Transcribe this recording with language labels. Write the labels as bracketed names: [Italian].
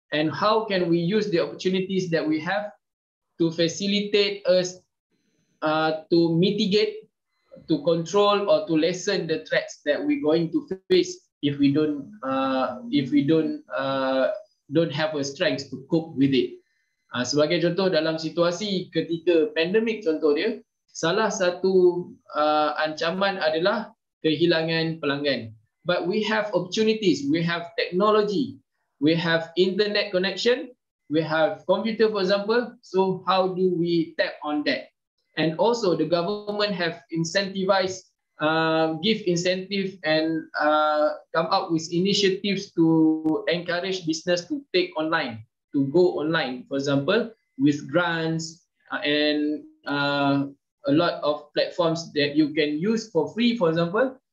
[English] And how can we use the opportunities that we have to facilitate us to mitigate, to control, or to lessen the threats that we're going to face if we don't have a strength to cope with it. [Malay] Sebagai contoh, dalam situasi ketika pandemik contoh dia, salah satu ancaman adalah kehilangan pelanggan. [English] But we have opportunities, we have technology, we have internet connection, we have computer for example, so how do we tap on that? And also the government have incentivized, give incentive and come up with initiatives to encourage business to take online, to go online, for example, with grants and a lot of platforms that you can use for free, for example.